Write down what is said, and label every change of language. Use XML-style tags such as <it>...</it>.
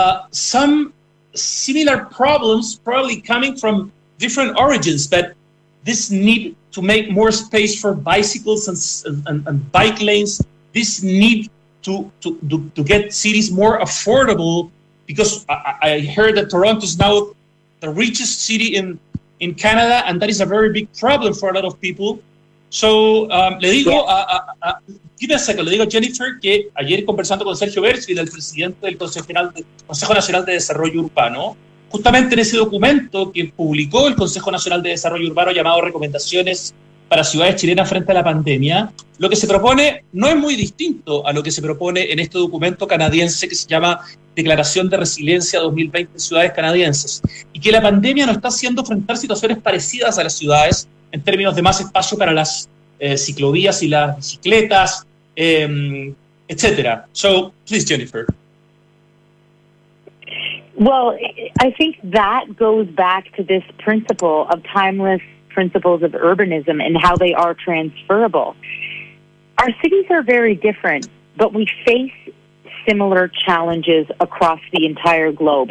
<en>some similar problems, probably coming from different origins, but this need to make more space for bicycles and bike lanes, this need to get cities more affordable, because I heard that Toronto is now the richest city in Canada, and that is a very big problem for a lot of people. So, give me a second.</en> <es>Le digo, Jennifer, que ayer conversando con Sergio Berzfield, el presidente del Consejo Nacional de Desarrollo Urbano, justamente en ese documento que publicó el Consejo Nacional de Desarrollo Urbano llamado Recomendaciones para Ciudades Chilenas frente a la Pandemia, lo que se propone no es muy distinto a lo que se propone en este documento canadiense que se llama Declaración de Resiliencia 2020 en Ciudades Canadienses, y que la pandemia nos está haciendo enfrentar situaciones parecidas a las ciudades en términos de más espacio para las ciclovías y las bicicletas, etcétera.</es> <en>So, please, Jennifer. Well, I think that goes back to this principle of timeless principles of urbanism and how they are transferable. Our cities are very different, but we face similar challenges across the entire globe.</en>